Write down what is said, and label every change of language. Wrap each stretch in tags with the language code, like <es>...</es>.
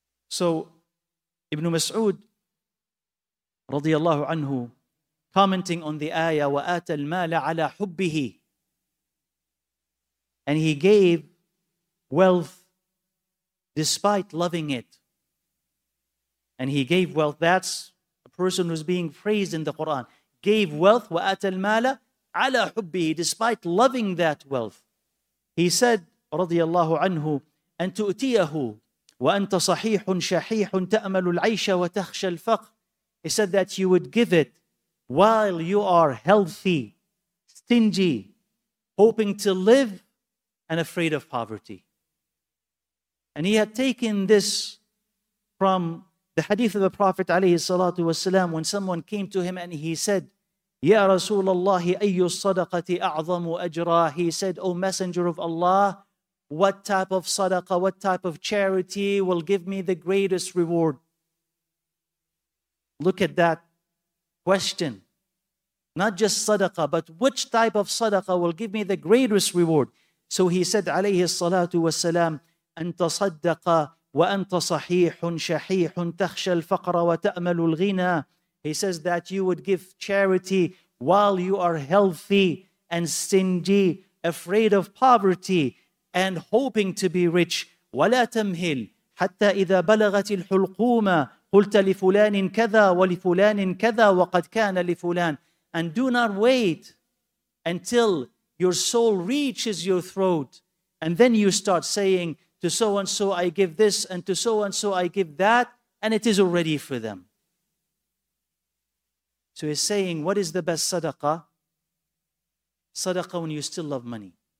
<en>So Ibn Mas'ud radiyallahu anhu, commenting on the ayah,</en> <ar>وَآتَ الْمَالَ عَلَىٰ حُبِّهِ,</ar> <en>and he gave wealth despite loving it. And he gave wealth, that's a person who's being praised in the Quran. Gave wealth,</en> <ar>وَآتَ الْمَالَ عَلَىٰ حُبِّهِ,</ar> <en>despite loving that wealth. He said, radiyallahu anhu,</en> <ar>أَن تُؤْتِيَهُ وَأَنْتَ صَحِيحٌ شَحِيحٌ تَأْمَلُ الْعَيْشَ وَتَخْشَ الْفَقْرِ.</ar> <en>He said that you would give it while you are healthy, stingy, hoping to live and afraid of poverty. And he had taken this from the hadith of the Prophet alayhi salatu wasalam, when someone came to him and he said,</en> <ar>Ya Rasulullah, ayyu sadaqati a'zamu ajra.</ar> <en>He said, O Messenger of Allah, what type of sadaqah, what type of charity will give me the greatest reward? Look at that question. Not just sadaqah, but which type of sadaqah will give me the greatest reward? So he said, alayhi salatu wasalam,</en> <ar>أنت صدق وأنت صحيح شحيح تخشى الفقر وتأمل الغنى.</ar> <en>He says that you would give charity while you are healthy and stingy, afraid of poverty and hoping to be rich.</en> <ar>ولا تمهل حتى إذا بلغت الحلقومة قلت لفلان كذا ولفلان كذا وقد كان لفلان.</ar> <en>And do not wait until your soul reaches your throat, and then you start saying, to so and so I give this, and to so and so I give that, and it is already for them. So he's saying, what is the best sadaqah? Sadaqah when you still love money.</en>